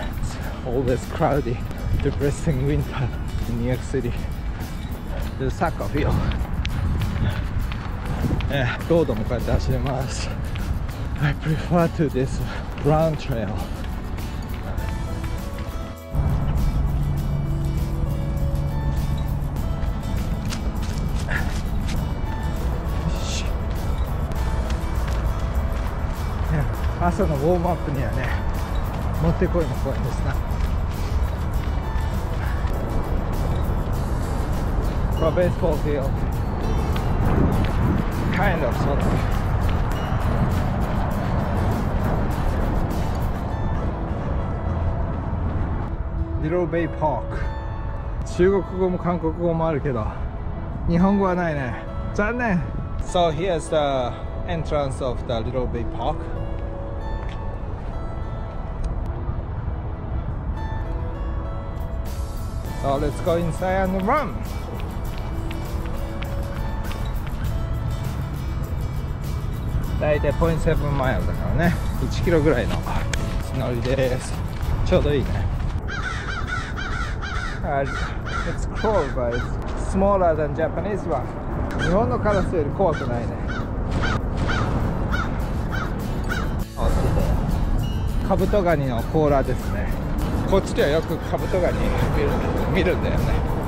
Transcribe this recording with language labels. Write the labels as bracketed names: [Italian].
[English] It's always cloudy, depressing winter in New York City. The soccer field. [Japanese] ロードもこうやって走れます。 [English] I prefer to this brown trail. [Japanese] Yeah, 朝のウォームアップにはね、もってこいの公園ですな。 [English] For baseball field, kind of sort of. Little Bay Park. [Japanese] 中国語も韓国語もあるけど、日本語はないね。残念。 [English] So here's the entrance of the Little Bay Park. So let's go inside and run. [Japanese] 大体 0.7 miles だからね。 1キロぐらいの乗りです。ちょうどいいね。 [English] It's cold, but it's smaller than Japanese one. [Japanese] 日本のカラスより怖くないね。カブトガニの甲羅ですね。こっちではよくカブトガニ見るんだよね。